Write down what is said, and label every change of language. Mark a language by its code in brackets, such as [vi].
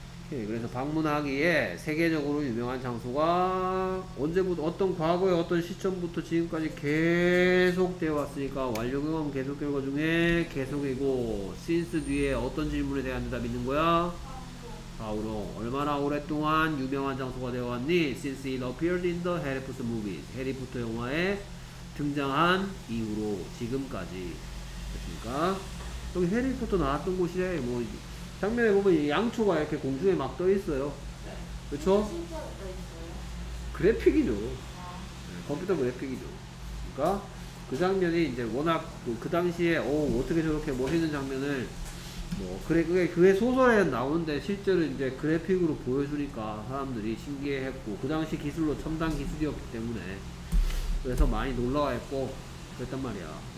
[ko] 그래서 방문하기에 세계적으로 유명한 장소가 언제부터 어떤 과거의 어떤 시점부터 지금까지 계속 되어 왔으니까 완료경험 계속 결과 중에 계속이고 since 뒤에 어떤 질문에 대한 대답이 있는 거야? [en] How long? [ko] 얼마나 오랫동안 유명한 장소가 되어 왔니? [en] Since it appeared in the Harry Potter movies. [ko] 해리포터 영화에 등장한 이후로 지금까지. 됐습니까? 여기 해리포터 나왔던 곳이래. 뭐 장면에 보면 양초가 이렇게 공중에 막 떠있어요. 네. 그쵸? 진짜 떠있어요? 그래픽이죠. 아. 네, 컴퓨터 그래픽이죠. 그니까 그 장면이 이제 워낙 그 당시에 오 어떻게 저렇게 멋있는 장면을 뭐 그래 그게 소설에는 나오는데 실제로 이제 그래픽으로 보여주니까 사람들이 신기해했고 그 당시 기술로 첨단 기술이었기 때문에 그래서 많이 놀라워했고 그랬단 말이야.